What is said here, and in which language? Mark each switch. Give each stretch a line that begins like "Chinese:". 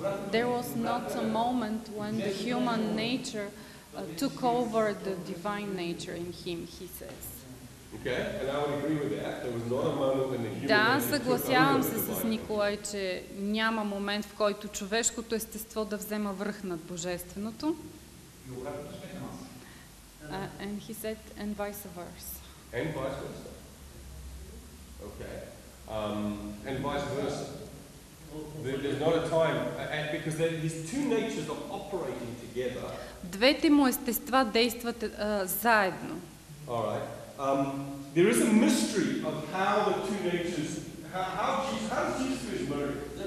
English: There was not a moment when the human nature took over the divine nature in him, he says. Okay, and I would agree with that. There was not a moment when the human nature.
Bulgarian: Да, съгласявам се с Николай, че няма момент, в който човешкото естество да взема връх над божественото.
English: And he said, and vice versa. And vice versa. Okay. And vice versa. There's not a time, and because there, these two natures are operating together.
Bulgarian: Двете му естества действат заедно.
English: All right. There is a mystery of how the two natures, how Jesus is married.